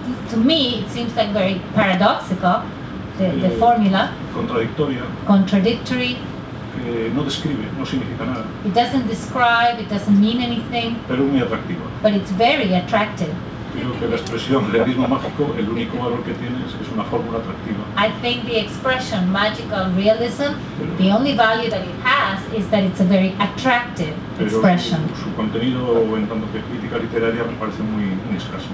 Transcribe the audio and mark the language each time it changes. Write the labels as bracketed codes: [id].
[en] To me, it seems like very paradoxical. The formula contradictory [es] que no describe, no significa nada. [en] It doesn't describe, it doesn't mean anything, [es] pero muy atractivo. [en] But it's very attractive. [es] Creo que la expresión realismo mágico, el único valor que tiene es una fórmula atractiva. [en] I think the expression magical realism, pero, the only value that it has is that it's a very attractive expression. [es] Su contenido en tanto que crítica literaria me parece muy, muy escaso.